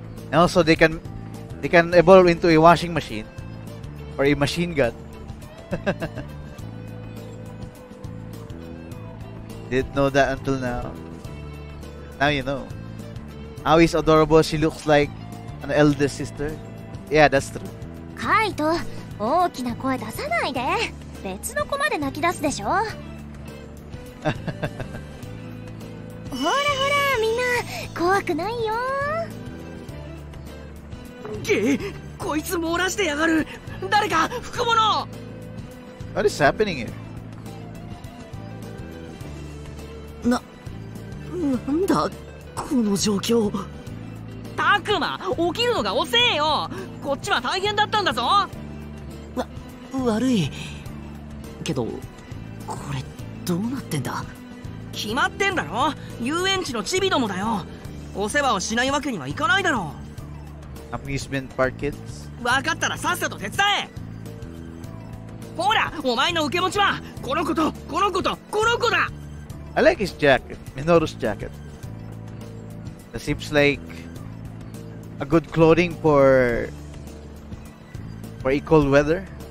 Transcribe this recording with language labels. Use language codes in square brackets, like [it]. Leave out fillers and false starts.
[en] And also they can evolve into a washing machine or a machine gun. Didn't know that until now. Now you know. How is adorable, she looks like an eldest sister. Yeah, that's true. [ja] Kaito, 大きな声出さないで。別の子まで泣き出すでしょ。ほらほら、みんな怖くないよ。げ、こいつ漏らしてやがる。誰か福物。 [en] What is happening here? [ja] な、なんだこの状況。タクマ、起きるのが遅えよ。こっちは大変だったんだぞ。悪いけど、これどうなってんだ。決まってんだろ、遊園地のチビどもだよ。お世話をしないわけにはいかないだろう。アミューズメントパーキッズ、分かったらさっさと手伝え。ほら、お前の受け持ちはこの子とこの子とこの子だ。 [en] I like his jacket. Minoru's jacket. That seems like a good clothing for a cold weather.